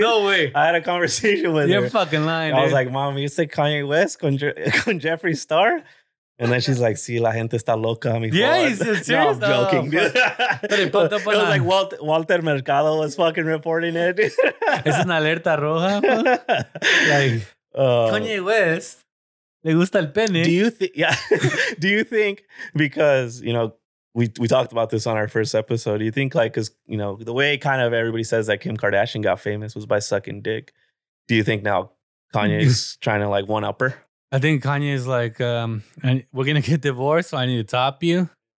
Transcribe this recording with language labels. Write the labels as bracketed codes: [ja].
[en] No way. I had a conversation with You're her. You're fucking lying, I was like, Mom, you said Kanye West con Jeffrey Star? And then she's like, "See, [es] la gente está loca, mi [en] favor." Yeah, he's serious. No, I'm joking. Dude. But it popped up. It was like Walter Mercado was fucking reporting it. [es] Es una alerta roja. Like Kanye West, le gusta el pene. [en] Do you think? Yeah. Do you think because you know we talked about this on our first episode? Do you think like because you know the way kind of everybody says that Kim Kardashian got famous was by sucking dick? Do you think now Kanye is trying to like one up her? I think Kanye is like, we're going to get divorced, so I need to top you.